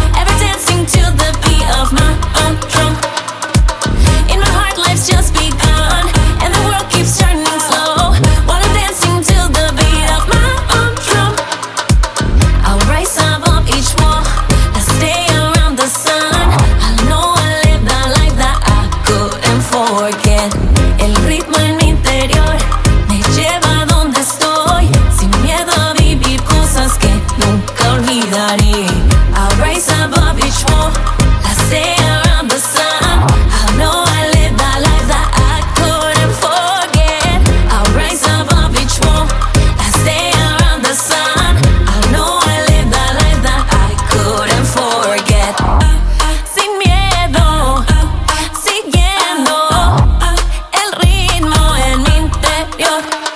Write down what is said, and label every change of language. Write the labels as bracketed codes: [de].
[en] Ever dancing to the beat of my own drum. In my heart, life's just begun, and the world keeps turning slow. While I'm dancing to the beat of my own drum, I'll rise above each wall, I'll stay around the sun. I know I live the life that I couldn't forget. [es] El ritmo en mi interior me lleva donde estoy. Sin miedo a vivir cosas que nunca olvidaré. [en] I'll rise above each wall, I'll stay around the sun. I know I live the life that I couldn't forget. I'll rise above each wall, I'll stay around the sun. I know I live the life that I couldn't forget. [es] Sin miedo, siguiendo el ritmo en mi interior.